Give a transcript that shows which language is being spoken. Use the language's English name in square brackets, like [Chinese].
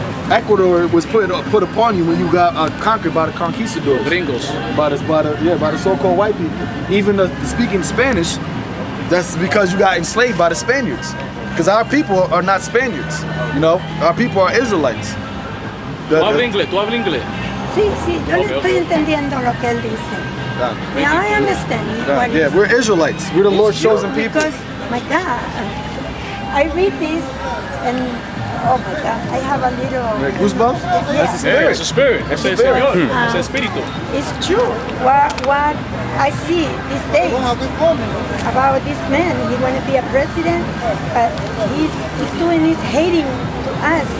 [English] Ecuador was put upon you when you got conquered by the conquistadors. Gringos. By the so-called white people. Even the speaking Spanish, that's because you got enslaved by the Spaniards. Because our people are not Spaniards, you know? Our people are Israelites. [Spanish] Tu hablas inglés? Sí, sí, yo le estoy entendiendo lo que él dice. [English] Yeah, I understand. Yeah, we're Israelites. We're the Lord's chosen people. Because, my God, I read this and, oh my God, I have a little... Goosebumps? Yeah. That's a spirit. It's a spirit. It's a spirit. It's a spirit. It's true. What I see these days about this man, he want to be a president, but he's doing this hating us.